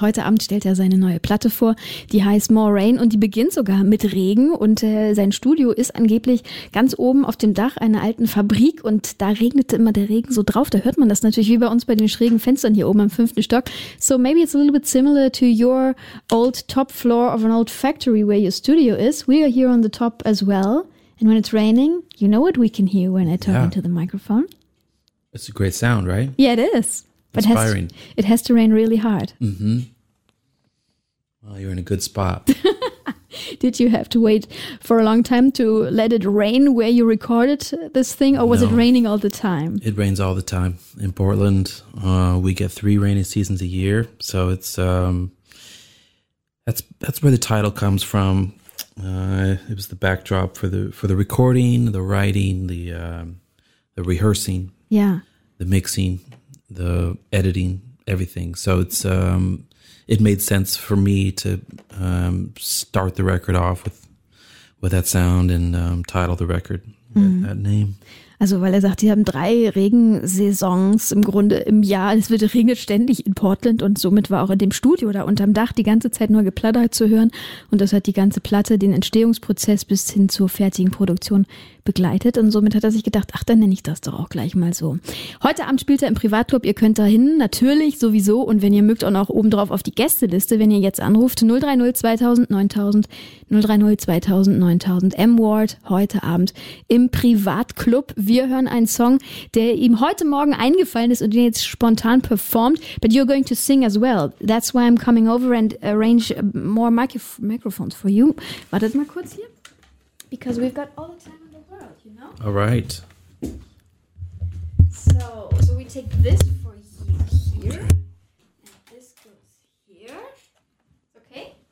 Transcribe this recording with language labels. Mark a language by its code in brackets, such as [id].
[de] Heute Abend stellt er seine neue Platte vor, die heißt More Rain und die beginnt sogar mit Regen und sein Studio ist angeblich ganz oben auf dem Dach einer alten Fabrik und da regnete immer der Regen so drauf. Da hört man das natürlich wie bei uns bei den schrägen Fenstern hier oben am fünften Stock. [en] So maybe it's a little bit similar to your old top floor of an old factory where your studio is. We are here on the top as well. And when it's raining, you know what we can hear when I talk into the microphone. It's a great sound, right? Yeah, it is. But inspiring. It has to rain really hard. Mm-hmm. Well, you're in a good spot. Did you have to wait for a long time to let it rain where you recorded this thing? Or was No. it raining all the time? It rains all the time. In Portland, we get 3 rainy seasons a year. So it's that's where the title comes from. It was the backdrop for the recording, the writing, the rehearsing. Yeah. The mixing. The editing, everything. So it's it made sense for me to start the record off with that sound and title the record that name. [de] Also weil er sagt, die haben 3 Regensaisons im Grunde im Jahr. Es wird regnet ständig in Portland und somit war auch in dem Studio da unterm Dach die ganze Zeit nur Geplatter zu hören. Und das hat die ganze Platte, den Entstehungsprozess bis hin zur fertigen Produktion begleitet. Und somit hat er sich gedacht, ach, dann nenne ich das doch auch gleich mal so. Heute Abend spielt er im Privatclub. Ihr könnt dahin, natürlich sowieso. Und wenn ihr mögt, auch noch obendrauf auf die Gästeliste, wenn ihr jetzt anruft. 030 2000 9000, 030 2000 9000, M-Ward, heute Abend im Privatclub. Wir hören einen Song, der ihm heute Morgen eingefallen ist und den jetzt spontan performt. [en] But you're going to sing as well. That's why I'm coming over and arrange more microphones for you. [de] Wartet mal kurz hier. [en] Because we've got all the time in the world, you know? All right. So we take this for you here. Okay. And this goes here. Okay?